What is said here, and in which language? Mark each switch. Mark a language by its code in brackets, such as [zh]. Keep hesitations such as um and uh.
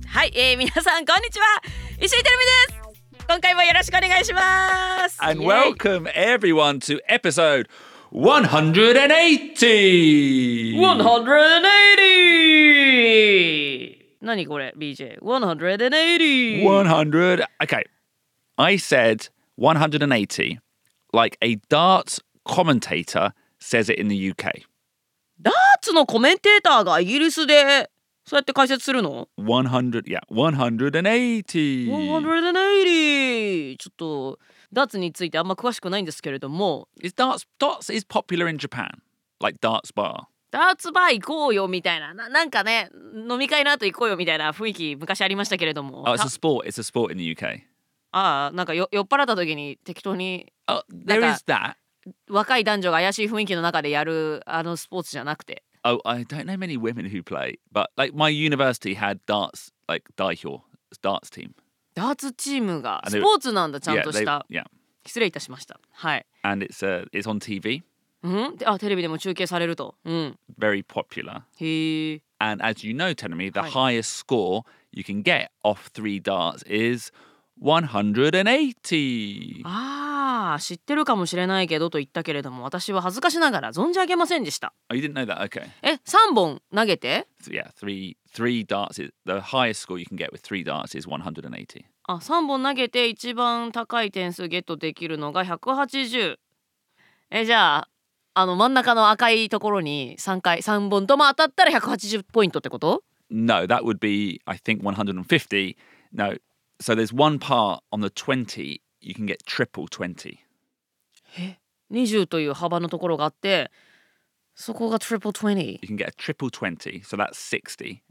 [ja] はい、えー、皆さんこんにちは。石井テルミです。今回もよろしくお願いします。 [en] And welcome everyone to episode 180. 180. [ja] 何これ BJ?180!180! Okay. [en] I said 180 like a darts commentator says it in the UK. [ja] ダーツのコメンテーターがイギリスでそうやって解説するの ?180! [en] Yeah, 180! 180! [ja] ちょっとダーツについてあんま詳しくないんですけれども。 [en] Is darts, darts is popular in Japan, like darts bar. [ja] ダーツバー行こうよみたいなな,なんかね飲み会の後行こうよみたいな雰囲気昔ありましたけれども。あ、oh,、 [en] sport. It's a sport in the UK. [ja] ああ、なんかよ酔っ払った時に適当に。 [en] あ、oh,、There is that。 [ja] 若い男女が怪しい雰囲気の中でやるあのスポーツじゃなくて。 [en] Oh, I don't know many women who play, but like my university had darts like 代表 darts team. [ja] ダーツチームがスポーツなんだちゃんとした。 [en] Yeah, they, yeah. [ja] 失礼いたしました。はい。 [en] And it's、uh, it's on TV. Mm -hmm. [ja] あ、テレビでも中継されると。うん。 [en] Very popular. へえ。 And as you know, t e n a m i the、はい、highest score you can get off three darts is 180! [ja] ああ、知ってるかもしれないけどと言ったけれども、私は恥ずかしながら存じ上げませんでした。 [en] Oh, you didn't know that? Okay. [ja] え、3本投げて [en] so, ?Yeah, three, three darts is the highest score you can get with three darts is 180. [ja] あ3本投げて一番高い点数ゲットできるのが180。え、じゃあ、あの真ん中の赤いところに3回3本とも当たったら180ポイントってこと [en] ?No, that would be, I think, 150.No, so there's one part on the 20, you can get triple 20. [ja] え ?20 という幅のところがあって、そこが triple 20? [en] You can get a triple 20, so that's 60.